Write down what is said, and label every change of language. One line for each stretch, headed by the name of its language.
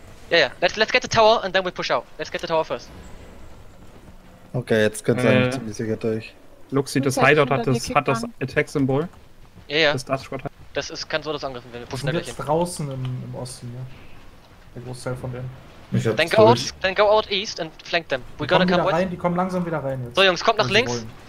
English: Ja, let's get the tower and then we push out. Let's get the tower first.
German: Okay, jetzt könnt ihr nicht ziemlich sicher durch. Luxi, das Hideout hat das Attack-Symbol. Ja. Das ist, kann so das angriffen werden. Wir sind jetzt draußen im Osten, ja. Der Großteil von denen.
English: Then go out east and flank them.
German: Die kommen langsam wieder rein jetzt. So, Jungs, kommt nach links.